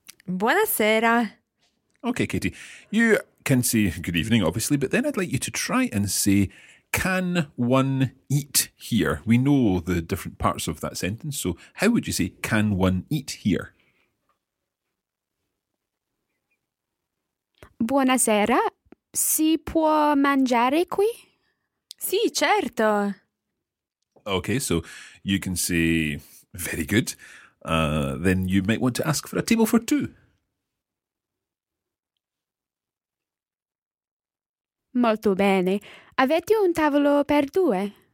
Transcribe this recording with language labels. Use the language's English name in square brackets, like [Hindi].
[Italian] Buonasera. [English] Okay, Katie, you can say good evening, obviously, but then I'd like you to try and say, can one eat here? We know the different parts of that sentence. So how would you say, can one eat here? [Italian] Buonasera, si può mangiare qui? Sì, certo. [English] Okay, so you can say, very good. Then you might want to ask for a table for two. [Italian] Molto bene. Avete un tavolo per due?